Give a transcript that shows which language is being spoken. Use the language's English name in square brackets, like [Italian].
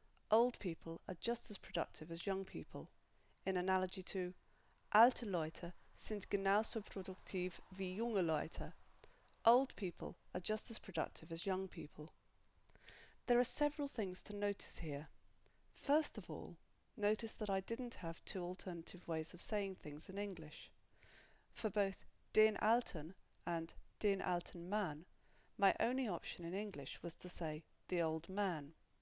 [English] Old people are just as productive as young people. In analogy to [German] alte Leute sind genauso produktiv wie junge Leute. [English] Old people are just as productive as young people. There are several things to notice here. First of all, notice that I didn't have two alternative ways of saying things in English. For both [German] den Alten [English] and [German] den Alten Mann, [English] my only option in English was to say the old man.